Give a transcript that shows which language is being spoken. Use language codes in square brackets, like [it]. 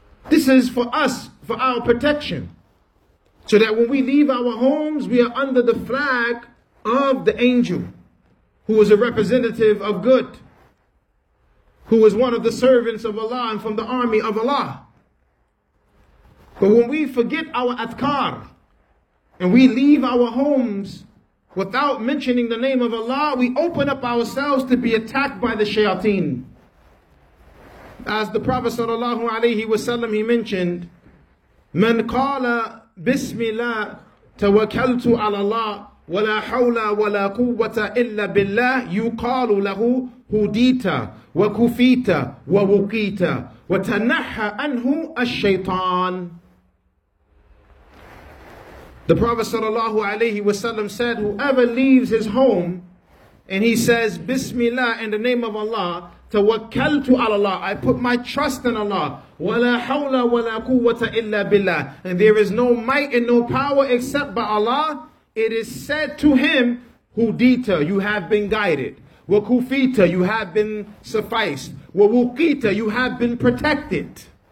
[en] This is for us, for our protection. So that when we leave our homes, we are under the flag of the angel, who is a representative of good, who is one of the servants of Allah and from the army of Allah. But when we forget our adhkar and we leave our homes without mentioning the name of Allah, we open up ourselves to be attacked by the shayateen. As the Prophet sallallahu alayhi wasallam, he mentioned, [ar] من قال بسم الله توكلت على الله ولا حول ولا قوة إلا بالله يقال له هديت وكفيت ووقيت وتنحى عنه الشيطان. [en] The Prophet sallallahu alayhi wasallam said, whoever leaves his home and he says, bismillah, in the name of Allah, tawakkaltu ala Allah, I put my trust in Allah, wa la hawla wa la quwwata illa billah, and there is no might and no power except by Allah, it is said to him, hudita, you have been guided, wa kufita, you have been sufficed, wa wuqita, you have been protected.